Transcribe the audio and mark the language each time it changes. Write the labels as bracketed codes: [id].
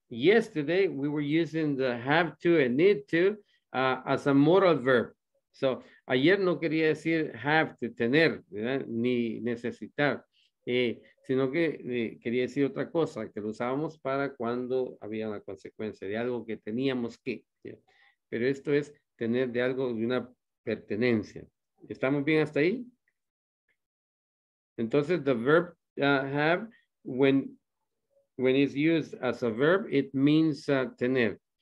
[en] Yesterday, we were using the have to and need to as a modal verb. [es] So ayer no quería decir have to, tener, ¿verdad? Ni necesitar, sino que quería decir otra cosa, que lo usábamos para cuando había una consecuencia de algo que teníamos que. ¿Sí? Pero esto es tener de algo, de una pertenencia. ¿Estamos bien hasta ahí? [en] Entonces, the verb have, when it's used as a verb, it means tener.